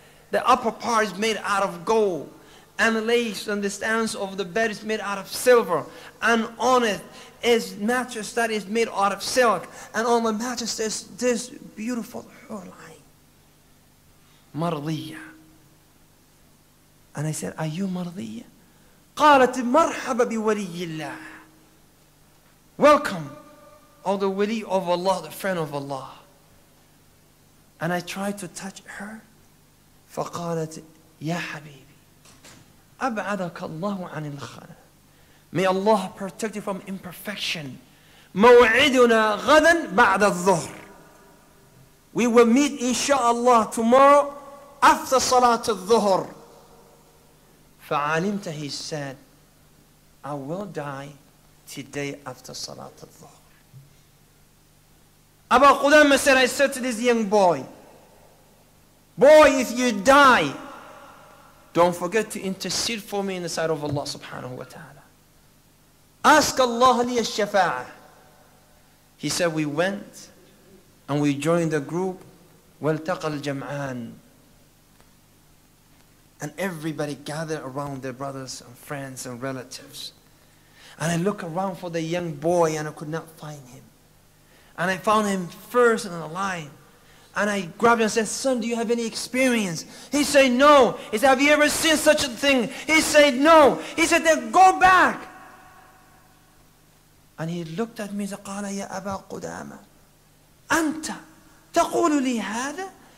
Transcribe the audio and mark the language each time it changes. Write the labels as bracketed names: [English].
[English] The upper part is made out of gold, and the legs and the stands of the bed is made out of silver, and on it is mattress that is made out of silk, and on the mattress is this beautiful Hur al-Ain, Mardiyya. And I said, are you Mardiyya? [Arabic] قالت مرحبا بولي الله. [English] Welcome, O the wali of Allah, the friend of Allah. And I tried to touch her. [Arabic] فقالت يا حبيبي أبعدك الله عن الخنا. [English] May Allah protect you from imperfection. [Arabic] موعدنا غدا بعد الظهر. [English] We will meet inshallah tomorrow after [Arabic] صلاة الظهر. فعلمت, [English] he said, I will die today after [Arabic] صلاة الظهر. [English] أبا قدامة said, I said to this young boy, boy, if you die, don't forget to intercede for me in the sight of Allah subhanahu wa ta'ala. Ask Allah li al-shafa'ah. He said, we went and we joined the group. [Arabic] وَالْتَقَى الْجَمْعَانِ. [English] And everybody gathered around their brothers and friends and relatives. And I looked around for the young boy and I could not find him. And I found him first in the line. And I grabbed him and said, son, do you have any experience? He said, no. He said, have you ever seen such a thing? He said, no. He said, then go back. And he looked at me and said, [Arabic] قَالَ يَا أَبَا قُدَامَ أَنْتَ تَقُولُ لِي هَذَا.